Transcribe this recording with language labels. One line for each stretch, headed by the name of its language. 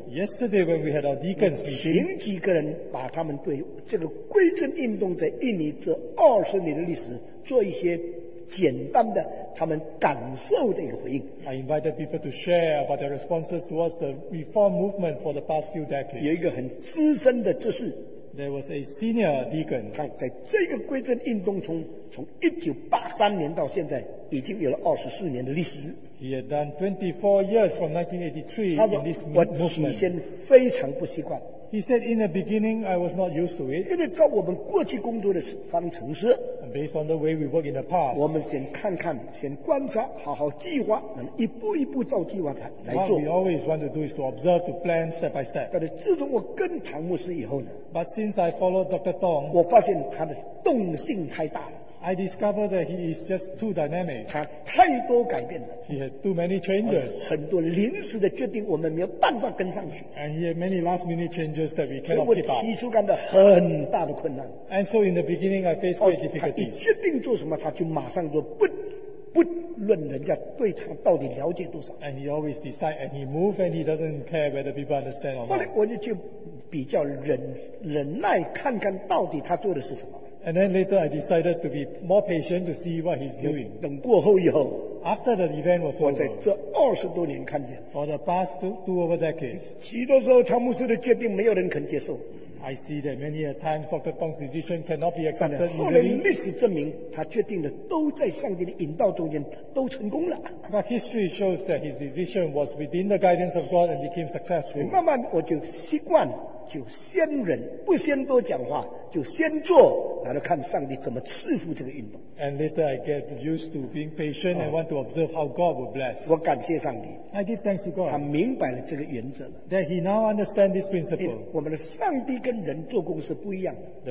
English: ，Yesterday when we had our deacons meeting,
Chinese: 请几个人把他们对这个归正运动在印尼这20年的历史做一些简单的他们感受的一个回应。
English: I invited people to share about their responses towards the reform movement for the past few decades.
Chinese: 有一个很资深的执事。
English: There was a senior deacon.
Chinese: 他在这个归正运动从1983年到现在已经有了24年的历史。
English: He had done 24 years from 1983 in this movement.
Chinese: 我起先非常不习惯。
English: He said in the beginning I was not used to it.
Chinese: 因为照我们过去工作的方程式。
English: And based on the way we work in the past.
Chinese: 我们先看看，先观察，好好计划，一步一步照计划来做。
English: What we always want to do is to observe, to plan step by step.
Chinese: 但是自从我跟唐牧师以后呢
English: ？But since I followed Dr. Tong,
Chinese: 我发现他的动性太大了。
English: I discover that he is just too dynamic.
Chinese: 他太多改变了。
English: He has too many changes.
Chinese: 很多临时的决定我们没有办法跟上去。
English: And he had many last minute changes that we cannot keep up.
Chinese: 我提出感到很大的困难。
English: And so in the beginning I faced great difficulties.
Chinese: 他一决定做什么他就马上就不论人家对他到底了解多少。
English: And he always decides and he moves and he doesn't care whether people understand or not.
Chinese: 后来我就去比较忍耐看看到底他做的是什么。
English: And then later I decided to be more patient to see what he's doing.
Chinese: 等过后以后,
English: after the event was over,
Chinese: 我在这二十多年看见,
English: for the past two over decades,
Chinese: 许多时候汤姆斯的决定没有人肯接受。
English: I see that many a times Dr. Tong's decision cannot be accepted easily.
Chinese: 但后来历史证明他决定的都在上帝的引导中间都成功了。
English: But history shows that his decision was within the guidance of God and became successful.
Chinese: 慢慢我就习惯就先忍不先多讲话就先做然后看上帝怎么赐福这个运动。
English: And later I get used to being patient and want to observe how God will bless.
Chinese: 我感谢上帝。
English: I give thanks to God.
Chinese: 他明白了这个原则了。
English: That he now understands this principle.
Chinese: 我们的上帝跟人做工是不一样的。